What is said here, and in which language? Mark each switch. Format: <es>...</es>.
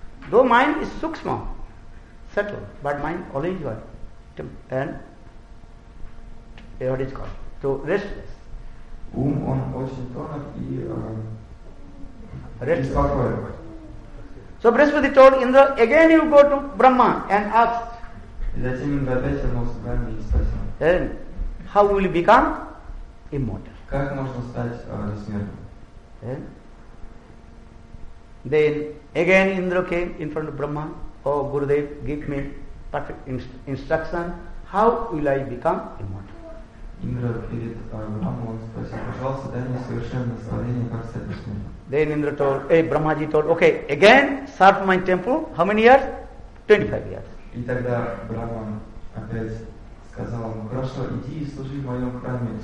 <en>Though mind is sukshma, subtle, but mind always is what? And what is called? So restless.</en> <ru>Он очень тонок и беспокоен.</ru> <en>So Brihaspati told Indra, again you go to Brahma and ask.</en> <ru>Затем Индра опять вернулся к Брахме и спросил.</ru> <en>And how will you become immortal?</en> <ru>Как можно стать бессмертным?</ru> <en>Then again Indra came in front of Brahma. Oh Gurudev, give me perfect instruction. How will I become immortal?</en> <ru>Indra перед Брахмой спросил, пожалуйста, дай мне совершенное наставление, как стать бессмертным.</ru> <en>Then Indra told, Brahmaji told, okay, again serve my temple. How many years? 25 years.</en> <ru>И тогда Брахма опять сказал ему, хорошо, иди и служи в моем храме.</ru>